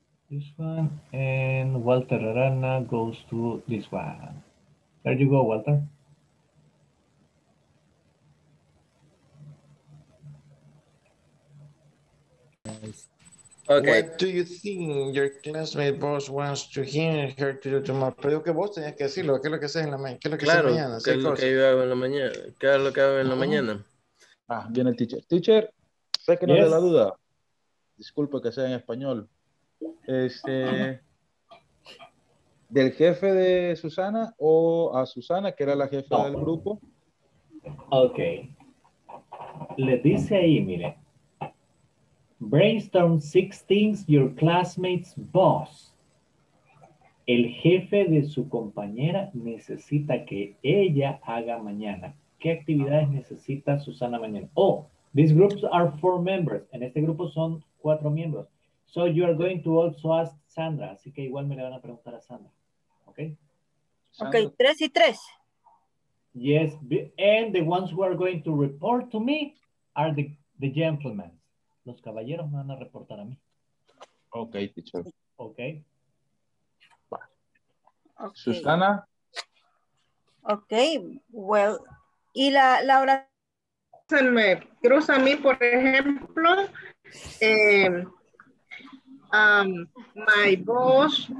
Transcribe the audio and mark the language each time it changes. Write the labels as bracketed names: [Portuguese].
[English] This one, and Walter Arana goes to this one. There you go, Walter. Okay. What do you think your classmate boss wants to hear and her to do tomorrow? [Spanish] Pero que vos tenías que decirlo, ¿qué es lo que haces en la mañana? ¿Qué es lo que claro, mañana? ¿Qué es lo que yo hago en la mañana? ¿Qué es lo que hago en la mañana? Ah, viene el teacher. Teacher, sé que no le da duda. Disculpe que sea en español. Este, del jefe de Susana o a Susana, que era la jefa del grupo, Ok. Le dice ahí, mire. [English] Brainstorm six things your classmate's boss. [Spanish] El jefe de su compañera necesita que ella haga mañana. ¿Qué actividades necesita Susana mañana? [English] Oh, these groups are four members. [Spanish] En este grupo son cuatro miembros. [English] So you are going to also ask Sandra. [Spanish] Así que igual me le van a preguntar a Sandra. [English] Ok. [Spanish] Ok, tres y tres. [English] Yes, and the ones who are going to report to me are the gentlemen. [Spanish] Los caballeros me van a reportar a mí. [English] Ok, teacher. Ok. Susana. Ok, well, [Spanish] y la oración. Me cruza a mí, por ejemplo, [English] my boss.